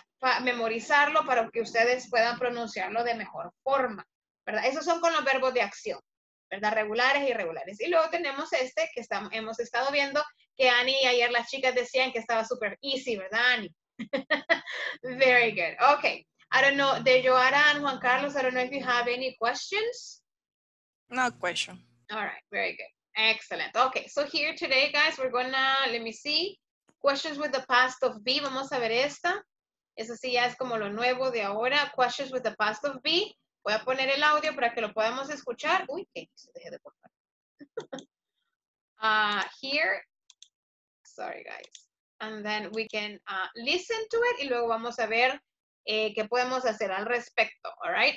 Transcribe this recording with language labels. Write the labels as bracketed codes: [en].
[es] Para memorizarlo para que ustedes puedan pronunciarlo de mejor forma, ¿verdad? Esos son con los verbos de acción, ¿verdad? Regulares e irregulares. Y luego tenemos este que hemos estado viendo, que Ani y ayer las chicas decían que estaba súper easy, ¿verdad, Ani? [en] Very good. Okay. I don't know, de Joara and Juan Carlos, I don't know if you have any questions. No question. All right, very good. Excellent. Okay, so here today, guys, we're gonna, let me see, questions with the past of be. [es] Vamos a ver esta. Eso sí ya es como lo nuevo de ahora. [en] Questions with the past of be. [es] Voy a poner el audio para que lo podamos escuchar. Uy, que se deje de portar. [en] Here. Sorry, guys. And then we can listen to it. [es] Y luego vamos a ver qué podemos hacer al respecto. [en] All right?